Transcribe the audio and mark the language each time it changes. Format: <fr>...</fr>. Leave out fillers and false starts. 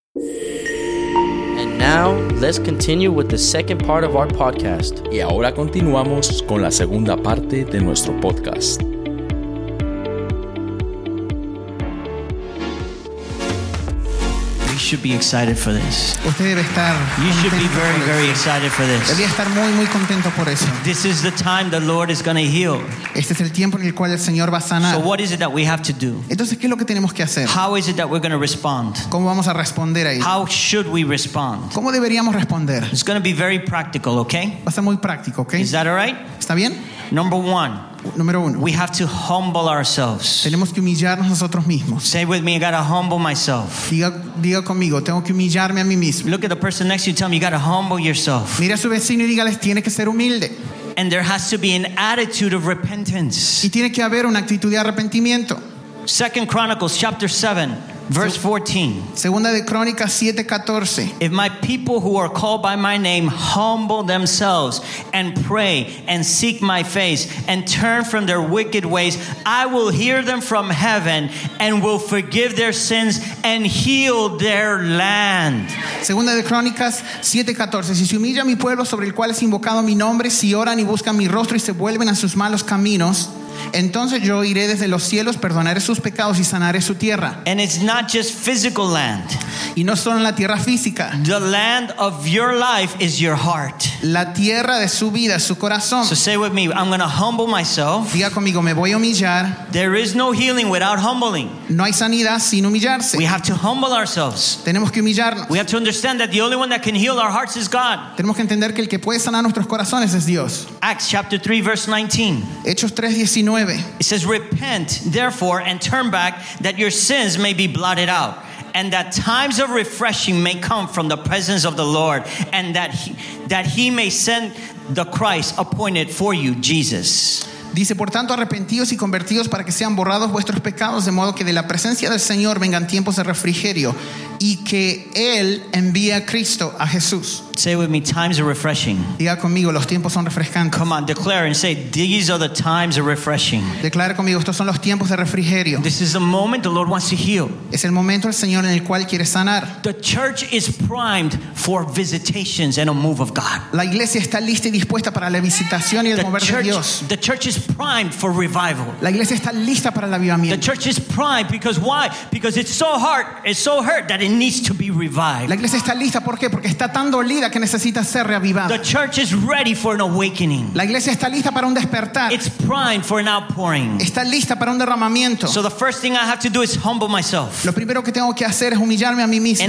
<en>And now, let's continue with the second part of our podcast.</en> <es>Y ahora continuamos con la segunda parte de nuestro podcast.</es> <en>You should be excited for this.</en> <es>Usted debe estar</es> <en>you should be very, very excited for this.</en> <es>Debería estar muy, muy contento por eso.</es> <en>This is the time the Lord is going to heal.</en> <es>Este es el tiempo en el cual el Señor va a sanar.</es> <en>So what is it that we have to do?</en> <es>Entonces, ¿qué es lo que tenemos que hacer?</es> <en>How is it that we're going to respond?</en> <es>¿Cómo vamos a responder a eso?</es> <en>How should we respond?</en> <es>¿Cómo deberíamos responder?</es> <en>It's going to be very practical, okay?</en> <es>Va a ser muy práctico, okay?</es> <en>Is that all right?</en> <es>¿Está bien?</es> <en>Number one.</en> <es>Número uno.</es> <en>We have to humble ourselves.</en> <es>Tenemos que humillarnos nosotros mismos.</es> <en>Say with me, I gotta humble myself.</en> <es>Diga conmigo, tengo que humillarme a mí mismo.</es> <en>Look at the person next to you, tell me, you gotta humble yourself.</en> <es>Mira a su vecino y dígales, tiene que ser humilde.</es> <en>And there has to be an attitude of repentance.</en> <es>Y tiene que haber una actitud de arrepentimiento.</es> <en>Second Chronicles chapter 7. Verse 14.</en> <es>Segunda de Crónicas 7:14.</es> <en>If my people who are called by my name humble themselves and pray and seek my face and turn from their wicked ways, I will hear them from heaven and will forgive their sins and heal their land.</en> <es>Segunda de Crónicas 7:14. Si se humilla mi pueblo sobre el cual es invocado mi nombre, si oran y buscan mi rostro y se vuelven a sus malos caminos, entonces yo iré desde los cielos, perdonaré sus pecados y sanaré su tierra.</es> <en>And it's not just physical land.</en> <es>Y no solo en la tierra física.</es> <en>The land of your life is your heart.</en> <es>La tierra de su vida, su corazón.</es> <en>So say with me, I'm going to humble myself.</en> <es>Diga conmigo, me voy a humillar.</es> <en>There is no healing without humbling.</en> <es>No hay sanidad sin humillarse.</es> <en>We have to humble ourselves.</en> <es>Tenemos que humillarnos.</es> <en>We have to understand that the only one that can heal our hearts is God.</en> <es>Tenemos que entender que el que puede sanar nuestros corazones es Dios.</es> <en>Acts chapter 3 verse 19.</en> <es>Hechos 3:19.</es> <en>It says, repent therefore and turn back that your sins may be blotted out, and that times of refreshing may come from the presence of the Lord, and that he may send the Christ appointed for you, Jesus.</en> <es>Dice, por tanto, arrepentíos y convertíos para que sean borrados vuestros pecados, de modo que de la presencia del Señor vengan tiempos de refrigerio y que Él envíe a Cristo, a Jesús.</es> <en>Say with me, times are refreshing.</en> <es>Diga conmigo, los tiempos son refrescantes.</es> <en>Come on, declare and say, these are the times of refreshing.</en> <es>Declare conmigo, estos son los tiempos de refrigerio.</es> <en>This is the moment the Lord wants to heal.</en> <es>Es el momento el Señor en el cual quiere sanar.</es> <en>The church is primed for visitations and a move of God.</en> <es>La iglesia está lista y dispuesta para la visitación y el mover de Dios.</es> <en>The church is primed for revival.</en> <es>La iglesia está lista para el avivamiento.</es> <en>The church is primed because why? Because it's so hurt that it needs to be revived.</en> <es>La iglesia está lista, ¿por qué? Porque está tan dolida que necesita ser reavivada.</es> <en>The church is ready for an awakening.</en> <es>La iglesia está lista para un despertar.</es> <en>It's primed for an outpouring.</en> <es>Está lista para un derramamiento.</es> <en>So the first thing I have to do is humble myself.</en> <es>Lo primero que tengo que hacer es humillarme a mí mismo.</es>